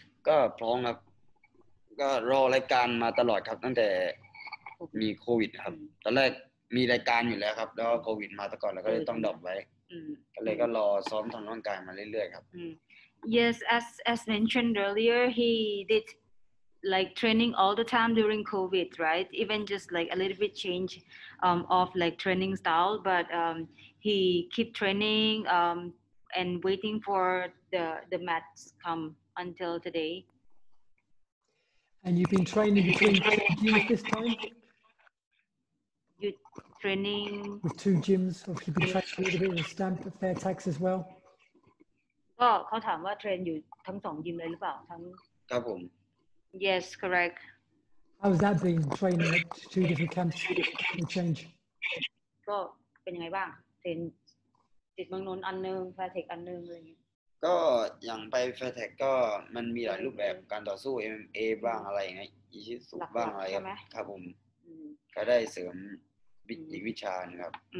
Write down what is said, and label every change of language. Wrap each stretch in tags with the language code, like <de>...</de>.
<th>ก็พร้อมครับก็รอรายการมาตลอดครับตั้งแต่มีโควิดครับตอนแรกมีรายการอยู่แล้วครับแล้วโควิดมาตะก่อนแล้วก็เลยต้องดรอปไว้ก็เลยก็รอซ้อมทำร่างกายมาเรื่อยๆครับ</th> <en>Yes as mentioned earlier he did like training all the time during COVID right even just like a little bit change of like training style but he keep training and waiting for the match come until today and you've been training between gyms this time you training with two gyms or you've been training a little bit in Stamp at Fairtex as well</en> <th>ก็เขาถามว่าเทรนอยู่ทั้งสองยิมเลยหรือเปล่าทั้ง ครับผม</th> <en>Yes correct How's that been training at two different camps to change</en> <th>ก็เป็นยังไงบ้างเทรนติดเมืองนนท์อันนึง Fairtex อันนึงอะไรอย่างเงี้ย ก็อย่างไป Fairtex ก็มันมีหลายรูปแบบการต่อสู้ MMA บ้างอะไรอย่างเงี้ยยิสุบ้างอะไรครับผมก็ได้เสริมอีกวิชานะครับ</th>